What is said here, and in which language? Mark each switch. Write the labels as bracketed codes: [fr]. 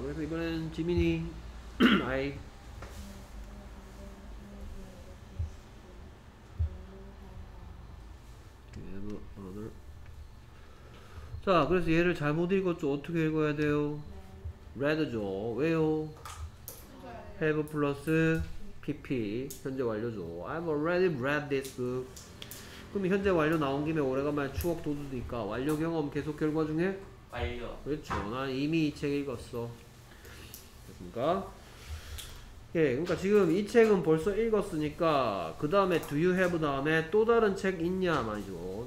[ko] 그래서 이번엔 지민이 I have another. 자, 그래서 얘를 잘못 읽었죠. 어떻게 읽어야 돼요? red죠. 왜요? [en] have plus PP [ko] 현재 완료죠. [en] I've already read this book. [ko] 그럼 현재 완료 나온 김에 오래간만에 추억 도두니까 완료 경험 계속 결과 중에? 완료. 그렇죠. 난 이미 이 책 읽었어. 그니까 예, 그러니까 지금 이 책은 벌써 읽었으니까 그 다음에 [en] Do you have [ko] 다음에 또 다른 책 있냐 말이죠.